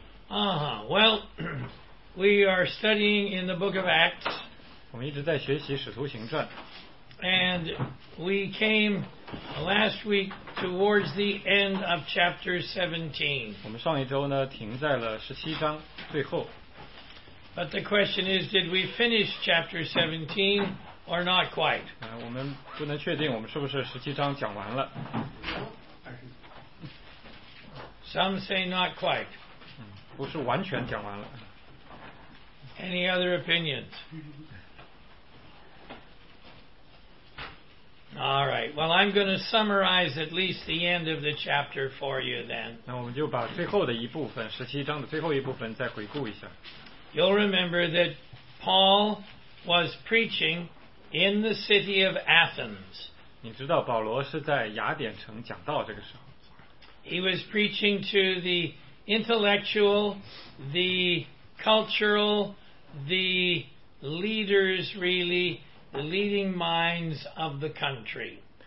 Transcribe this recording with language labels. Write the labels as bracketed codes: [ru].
[en] Well, we are studying in the book of Acts. [zh] 我们一直在学习《使徒行传》。 [en] And we came last week towards the end of chapter 17. [zh] 我们上一周呢，停在了十七章最后。 [en] But the question is, did we finish chapter 17 or not quite? [zh] 我们不能确定我们是不是十七章讲完了。 [en] Some say not quite. [zh] 不是完全讲完了。 [en] Any other opinions? All right. Well, I'm going to summarize at least the end of the chapter for you then. [zh] 那我们就把最后的一部分，十七章的最后一部分再回顾一下。 [en] You'll remember that Paul was preaching in the city of Athens. [zh] 你知道保罗是在雅典城讲道这个时候。 [en] He was preaching to the intellectual, the cultural, the leaders really, the leading minds of the country.